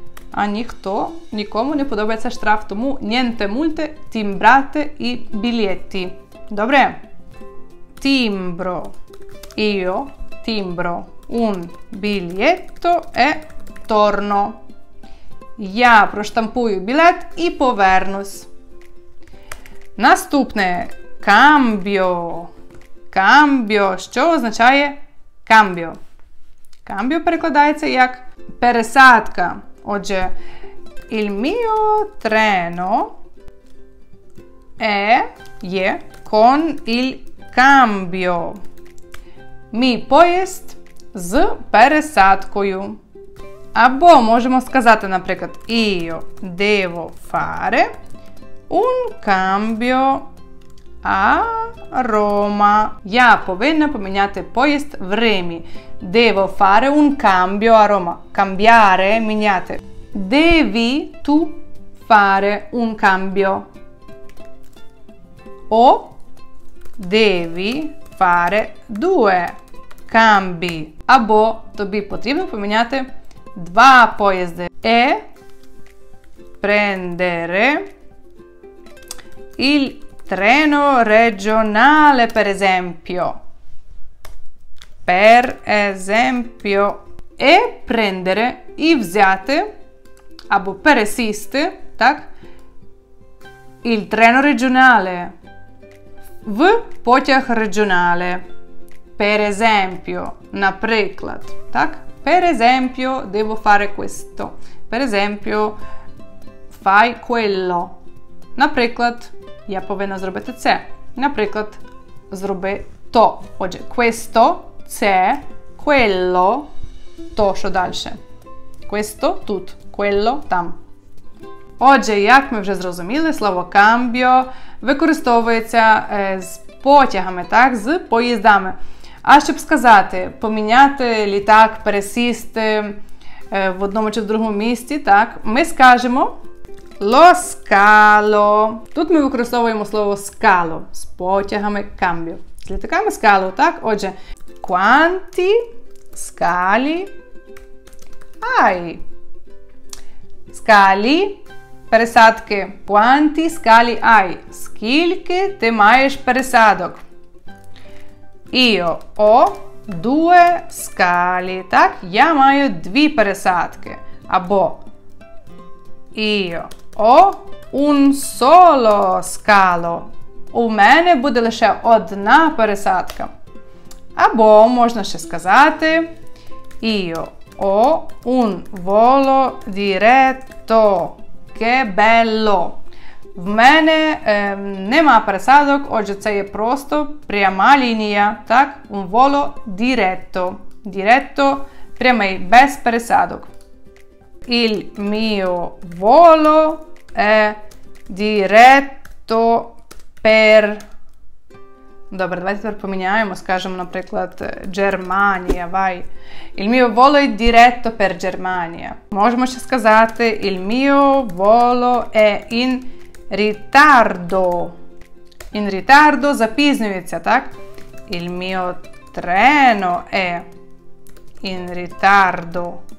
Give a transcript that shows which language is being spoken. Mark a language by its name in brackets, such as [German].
[Ukrainian] А ніхто, нікому не подобається штраф, тому [Italian] niente multe, timbrate i biglietti. [Ukrainian] Добре? Timbro. [Italian] Io timbro un biglietto e torno. [Ukrainian] Я проштампую білет і повернусь. Наступне. Cambio. Cambio. Що означає cambio? Cambio перекладається як пересадка. [Italian] Отже, il mio treno è, є, con il cambio. [Ukrainian] Мій поїзд з пересадкою. Або можемо сказати, наприклад, [Italian] io devo fare un cambio a Roma. [Ukrainian] Я повинна поміняти поїзд в Римі. [Italian] Devo fare un cambio a Roma. Cambiare, міняти. Devi tu fare un cambio. O devi fare due cambi. [Ukrainian] Або тобі потрібно поміняти два поїзди. [Italian] E prendere il treno regionale, per esempio. Per esempio. E prendere [Ukrainian] і взяти, або пересісти, так? [Italian] Il treno regionale. [Ukrainian] В потяг регіонале. [Italian] Per esempio, наприклад, так? Per esempio, devo fare questo. Per esempio, fai quello. [Ukrainian] Наприклад, я повинна зробити це. Наприклад, зроби то. Отже, questo, це, quello, то, що далі. Questo, тут, quello, там. Отже, як ми вже зрозуміли, слово cambio використовується з потягами, так, з поїздами. А щоб сказати, поміняти літак, пересісти в одному чи в другому місті, так, ми скажемо lo scalo. Тут ми використовуємо слово scalo з потягами cambio. З літаками scalo, так? [Italian] Отже, quanti scali hai? Scali, пересадки. Quanti scali hai? [Ukrainian] Скільки ти маєш пересадок? [Italian] Io ho due scali, так? [Ukrainian] Я маю дві пересадки. [Italian] Або io ho un solo scalo. [Ukrainian] У мене буде лише одна пересадка. Або можна ще сказати [Italian] io ho un volo diretto. Che bello! [Ukrainian] В мене нема пересадок, отже, це є просто пряма лінія, так? [Italian] Un volo diretto. [Ukrainian] Diretto, прямий, без пересадок. [Italian] Il mio volo è diretto per... [Ukrainian] Добре, давайте тепер поміняємо, скажемо, наприклад, Germania, vai. [Italian] Il mio volo è diretto per Germania. [Ukrainian] Можемо ще сказати, [Italian] il mio volo è in... Ritardo. In ritardo запізнюється, так? Il mio treno è in ritardo.